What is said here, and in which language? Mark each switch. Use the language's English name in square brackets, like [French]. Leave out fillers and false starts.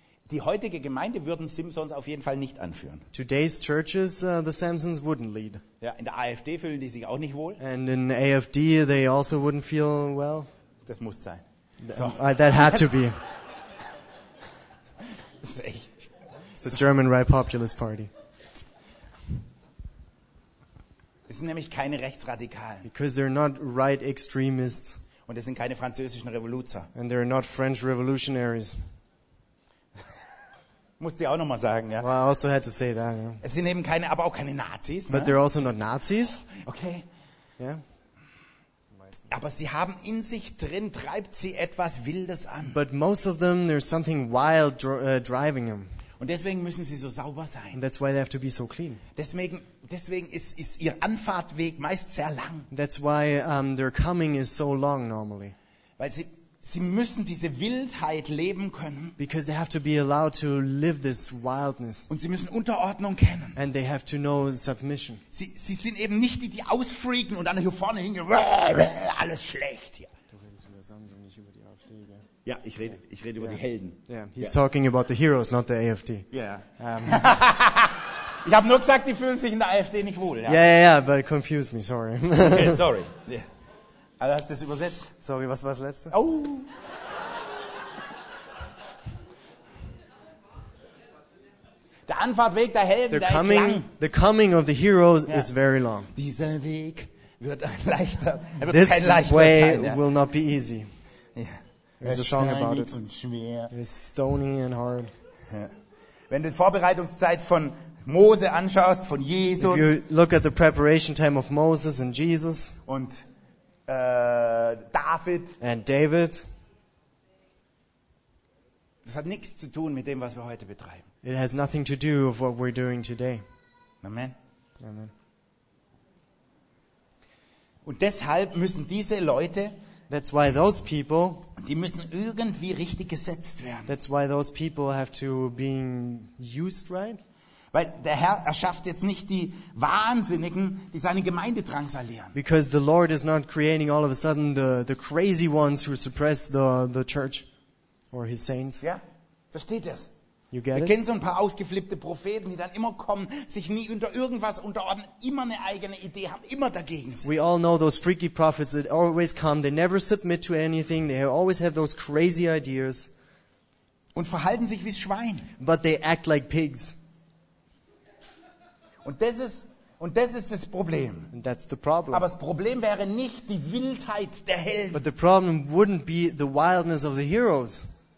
[German] Die heutige Gemeinde würden Simsons auf jeden Fall nicht anführen. [English] Today's churches, the Samsons wouldn't lead. [German] Ja, in der AfD fühlen die sich auch nicht wohl. [English] And in AfD, they also wouldn't feel well. [German] Das muss sein. [English] So. That had to be. [German] Das ist echt. [English] It's a German right populist party. [German] Es sind nämlich keine Rechtsradikalen. [English] Because they're not right extremists. [German] Und es sind keine französischen Revoluzer. [English] And they're not French revolutionaries. [German] Muss ich auch nochmal sagen, ja. [English] Well, I also had to say that, yeah. [German] Es sind eben keine, aber auch keine Nazis. [English] But they're also not Nazis. Okay. [German] Ja. Yeah. Aber sie haben in sich drin, treibt sie etwas Wildes an. [English] But most of them, there's something wild driving them. [German] Und deswegen müssen sie so sauber sein. [English] And that's why they have to be so clean. [German] Deswegen ist ihr Anfahrtweg meist sehr lang. [English] That's why their coming is so long normally. [German] Weil sie müssen diese Wildheit leben können. [English] Because they have to be allowed to live this wildness. [German] Und sie müssen Unterordnung kennen. [English] And they have to know submission. [German] Sie sind eben nicht die ausfreaken und dann hier vorne hingehen, alles schlecht hier. Du redest über Samsung, nicht über die AfD, gell? Ja, ich rede über die Helden. [English] Yeah. He's talking about the heroes, not the AfD. Yeah. [German] Ich habe nur gesagt, die fühlen sich in der AfD nicht wohl. Ja, [English] but it confused me, sorry. [German] Okay, sorry. Yeah. Also hast du das übersetzt? Sorry, was war das Letzte? Oh. Der Anfahrtweg der Helden, der [English] coming, [German] ist lang. [English] The coming of the heroes is very long. [German] Dieser Weg wird leichter. Wird [English] this [German] kein leichter [English] way [German] sein, [English] will not be easy. Yeah. There's a song about it. [German] Und schwer. [English] It is stony and hard. Yeah. [German] Wenn du die Vorbereitungszeit von Mose anschaust, von Jesus. [English] If you look at the preparation time of Moses and Jesus. [German] Und David. [English] And David. [German] Das hat nichts zu tun mit dem, was wir heute betreiben. [English] It has nothing to do with what we're doing today. [German] Amen. [English] Amen. [German] Und deshalb müssen diese Leute, [English] that's why those people, [German] die müssen irgendwie richtig gesetzt werden. [English] That's why those people have to be used right. [German] Weil der Herr erschafft jetzt nicht die Wahnsinnigen, die seine Gemeinde drangsalieren. [English] Because the Lord is not creating all of a sudden the crazy ones who suppress the church or his saints. [German] Ja, versteht ihr's? [English] You get [German] wir [English] it? [German] Kennen so ein paar ausgeflippte Propheten, die dann immer kommen, sich nie unter irgendwas unterordnen, immer eine eigene Idee haben, immer dagegen sind. [English] We all know those freaky prophets that always come, they never submit to anything, they always have those crazy ideas. [German] Und verhalten sich wie Schwein. [English] But they act like pigs. [German] Und das ist das Problem. [English] And that's the problem. [German] Aber das Problem wäre nicht die Wildheit der Helden. [English] But the problem wouldn't be the wildness of the heroes.